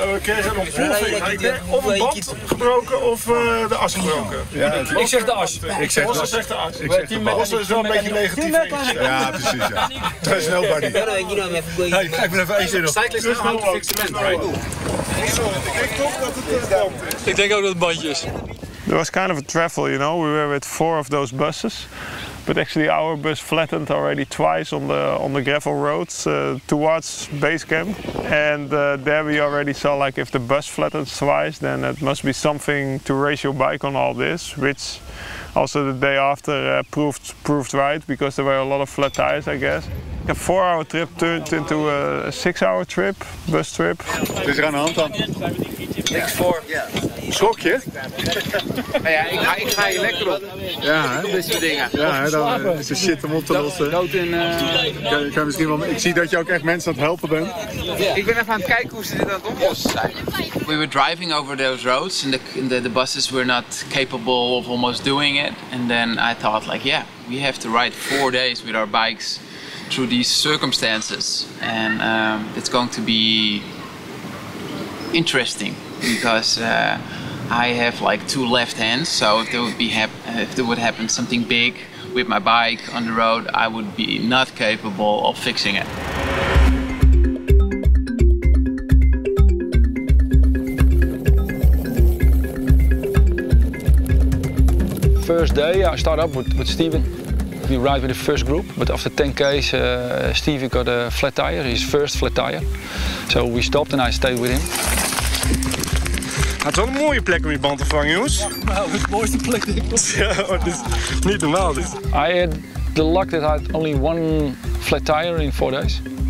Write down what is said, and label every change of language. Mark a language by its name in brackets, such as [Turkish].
[Dutch] We kregen een ontploffing. Of een band gebroken of de as gebroken. Ja, ik zeg de as. Ik zeg de as. Ik zeg de as. Is wel een beetje negatief. Ja, precies. Ja. Te snel, buddy. Ik ben even eentje nog. Cyclist is een auto fixement, right? Ik denk toch dat het band is. Ik denk ook dat het bandje is. [English] It was kind of a travel, you know. We were with 4 of those buses, but actually our bus flattened already twice on the gravel roads towards base camp, and there we already saw like if the bus flattens twice, then it must be something to race your bike on all this, which also the day after proved right because there were a lot of flat tires, I guess. A 4-hour trip turned into a 6-hour trip, bus trip. [Dutch] Is er aan de hand dan? Niks voor. Schok je? ik ga hier lekker op. Ja, dit soort dingen. Ja, dan is er shit om op te lossen. Ik kan misschien wel, ik zie dat je ook echt mensen aan het helpen bent. [English] Yeah. [Dutch] Ik ben even aan het kijken hoe ze dit aan het oplossen zijn. [English] We were driving over those roads and the buses were not capable of almost doing it. And then I thought like, yeah, we have to ride 4 days with our bikes through these circumstances, and it's going to be interesting because I have like 2 left hands, so if there would happen something big with my bike on the road, I would be not capable of fixing it. First day, I start up with Steven. We ride with the first group, but after 10Ks, Stevie got a flat tire, his first flat tire. So we stopped and I stayed with him. [Dutch] Het is wel een mooie plek om je band te vangen, jongens. Wow, het mooiste plek die ik heb. Ja, dit is niet normaal. Dus. [English] I had the luck that I had only 1 flat tire in 4 days.